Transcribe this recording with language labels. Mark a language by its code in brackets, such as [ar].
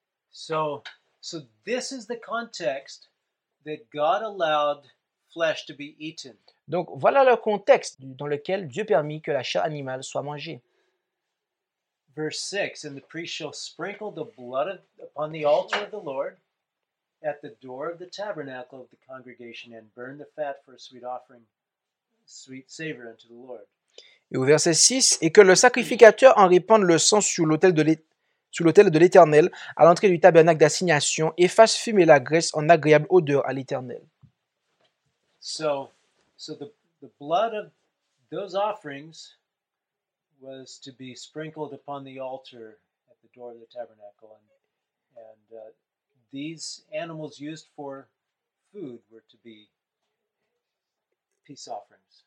[en] So this is the context that God allowed flesh to be eaten. [fr] Donc, voilà le contexte dans lequel Dieu permit que la chair animale soit mangée. [en] Verse 6, and the priest shall sprinkle the blood upon the altar of the Lord at the door of the tabernacle of the congregation and burn the fat for a sweet offering, sweet savor unto the Lord. [fr] Et au verset 6, et que le sacrificateur en répande le sang sur l'autel de l'Éternel à l'entrée du tabernacle d'assignation et fasse fumer la graisse en agréable odeur à l'Éternel. [en] So the blood of those offerings was to be sprinkled upon the altar at the door of the tabernacle, and these animals used for food were to be peace offerings.